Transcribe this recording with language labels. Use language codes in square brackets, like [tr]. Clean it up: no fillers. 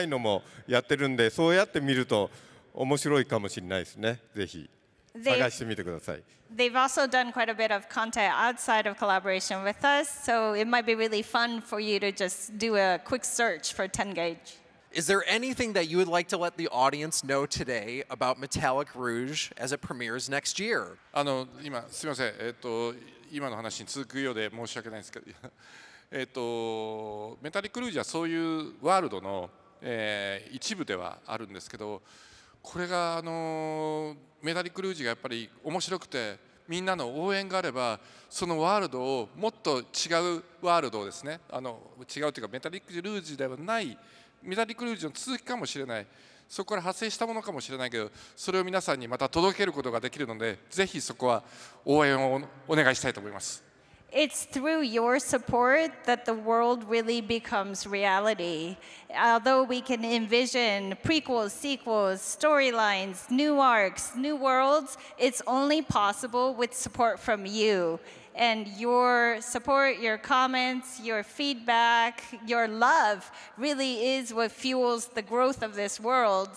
[ja] 本当にいろんな作品を他にうちの作品じゃないのもやってるんで、そうやって見ると。 [en] They've also done quite a bit of content outside of collaboration with us, so it might be really fun for you to just do a quick search for Tengage. Is there anything that you would like to let the audience know today about Metallic Rouge as it premieres next year? [ja] メタリックルージュはそういうワールドの一部ではあるんですけど、 これがメタリックルージュがやっぱり面白くて、みんなの応援があれば、そのワールドをもっと違うワールドですね。違うというか、メタリックルージュではない、メタリックルージュの続きかもしれない、そこから発生したものかもしれないけど、それを皆さんにまた届けることができるので、ぜひそこは応援をお願いしたいと思います。 [en] It's through your support that the world really becomes reality. Although we can envision prequels, sequels, storylines, new arcs, new worlds, it's only possible with support from you. And your support, your comments, your feedback, your love really is what fuels the growth of this world.